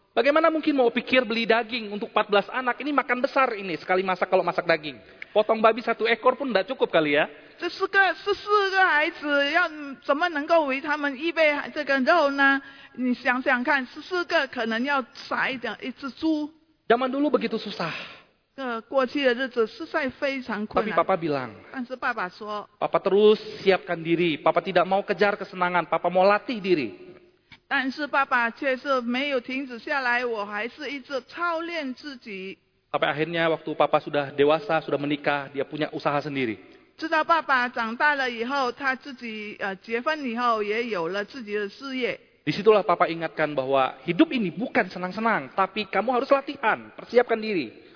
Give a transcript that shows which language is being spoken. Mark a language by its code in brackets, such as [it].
[id] Bagaimana mungkin mau pikir beli daging untuk 14 anak ini makan besar ini sekali masak kalau masak daging, potong babi satu ekor pun tidak cukup kali ya. [zh] 这14个孩子要怎么能够为他们预备这个肉呢？你想想看，14个可能要宰一只猪。 [id] Zaman dulu begitu susah. [zh] 过去的日子实在非常困难。 [id] Tapi papa bilang. [zh] 但是爸爸说, [id] papa terus siapkan diri. Papa tidak mau kejar kesenangan. Papa mau latih diri. [zh] 但是爸爸却是没有停止下来，我还是一直操练自己。 [id] Sampai akhirnya waktu papa sudah dewasa, sudah menikah, dia punya usaha sendiri. [zh] 直到爸爸长大了以后，他自己结婚以后也有了自己的事业。 [id] Disitulah papa ingatkan bahwa hidup ini bukan senang-senang, tapi kamu harus latihan, persiapkan diri.